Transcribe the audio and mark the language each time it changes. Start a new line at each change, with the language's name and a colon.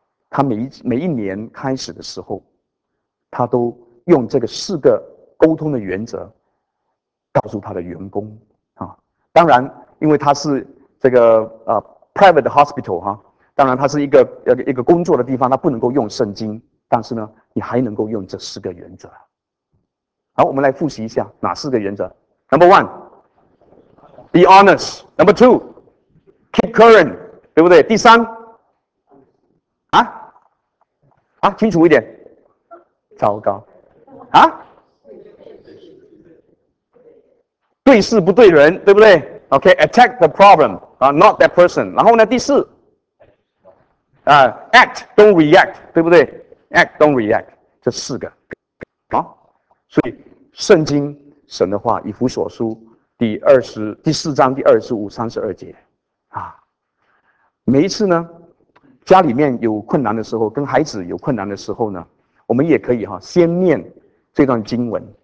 Chinese: 他每一年开始的时候，他都用这个四个沟通的原则告诉他的员工啊，当然，因为他是这个private hospital 哈、啊，当然他是一个工作的地方，他不能够用圣经，但是呢，你还能够用这四个原则。好，我们来复习一下哪四个原则 ？
English: Number one, be honest. Number two, keep current，
Chinese: 对不对？第三，清楚一点。糟糕，啊？对事不对人，对不对
English: ？OK, attack the problem, not that person.
Chinese: 然后呢，第四，
English: act, don't react,
Chinese: 对不对
English: ？Act, don't react.
Chinese: 这四个，好。所以圣经神的话，以弗所书第四章第25-32节，啊，每一次呢，家里面有困难的时候，跟孩子有困难的时候呢，我们也可以先念这段经文。